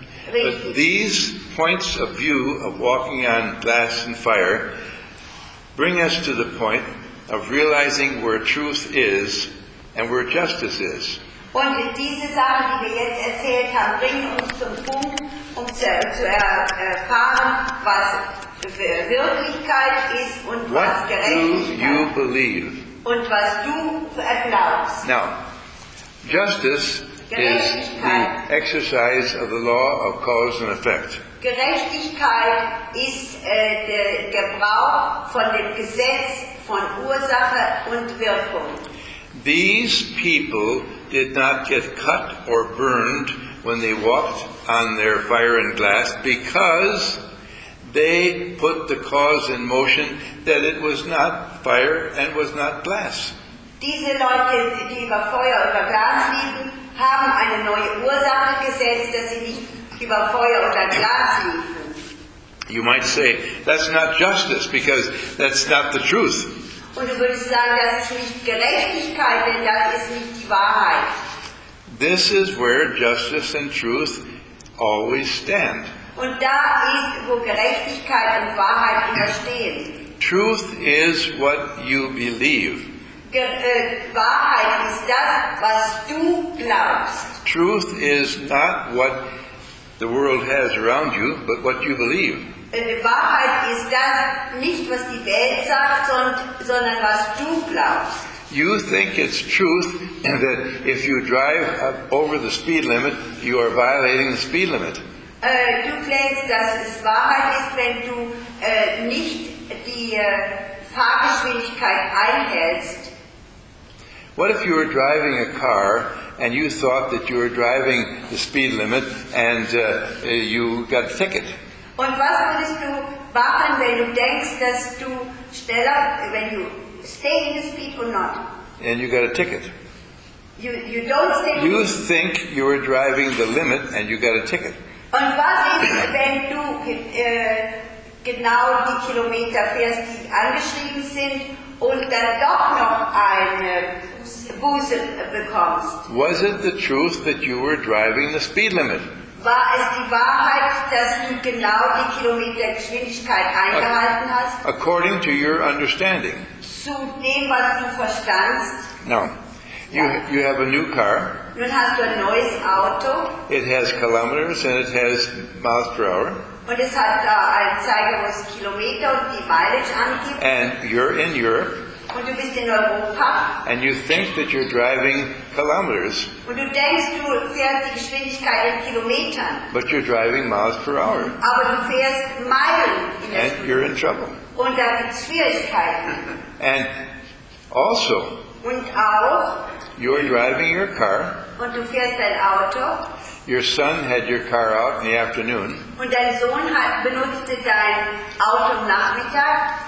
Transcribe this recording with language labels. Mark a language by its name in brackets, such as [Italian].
[English] But these points of view of walking on glass and fire bring us to the point of realizing where truth is and where justice is. [German] Und diese Sachen, die wir jetzt erzählt haben, bringen uns zum Punkt, um zu erfahren, was Wirklichkeit ist und [English] what [German] was Gerechtigkeit ist. [English] Do you believe? [German] Und was du glaubst. [English] Now, justice is the exercise of the law of cause and effect. [German] Gerechtigkeit ist der Gebrauch von dem Gesetz von Ursache und Wirkung. [English] These people did not get cut or burned when they walked on their fire and glass because they put the cause in motion that it was not fire and was not glass. [German] Diese Leute, die über Feuer oder Glas liefen, haben eine neue Ursache gesetzt, dass sie nicht über Feuer oder Glas liefen. [English] You might say, that's not justice, because that's not the truth. [German] Und du würdest sagen, das ist nicht Gerechtigkeit, denn das ist nicht die Wahrheit. [English] This is where justice and truth always stand. [German] Und da ist, wo Gerechtigkeit und Wahrheit immer stehen. [English] Truth is what you believe. [German] Wahrheit ist das, was du glaubst. [English] Truth is not what the world has around you, but what you believe. [German] Wahrheit ist das, nicht was die Welt sagt, sondern was du glaubst. [English] You think it's truth that if you drive up over the speed limit, you are violating the speed limit. [German] Du glaubst, dass es Wahrheit ist, wenn du nicht die Fahrgeschwindigkeit einhältst. [English] What if you were driving a car and you thought that you were driving the speed limit and you got a ticket? [German] Und was würdest du machen, wenn du denkst, dass du schneller, wenn [English] you stay in the speed or not? And you got a ticket. You don't stay. You think you were driving the limit and you got a ticket. [German] Und was ist, wenn du genau die Kilometer fährst, die angeschrieben sind, und dann doch noch eine Buße bekommst? [English] Was it the truth that you were driving the speed limit? [German] War es die Wahrheit, dass du genau die Kilometergeschwindigkeit eingehalten hast? [English] According to your understanding. [German] Zu dem, was du verstandst? [English] No. You have a new car. [German] Nun hast du ein neues Auto. [English] It has kilometers and it has miles per hour. [German] Und es hat ein Zeiger, wo es Kilometer und die Mileage angibt. [English] And you're in Europe. [German] Und du bist in Europa. [English] And you think that you're driving kilometers. [German] Und du denkst, du fährst die Geschwindigkeit in Kilometern. [English] But you're driving miles per hour. [German] Aber du fährst Meilen. [English] And you're in trouble. [German] Und da gibt es Schwierigkeiten. [English] And also. [German] Und auch. [English] You're driving your car. [German] Und du fährst dein Auto. [English] Your son had your car out in the afternoon. [German] Und dein Sohn benutzte dein Auto am Nachmittag.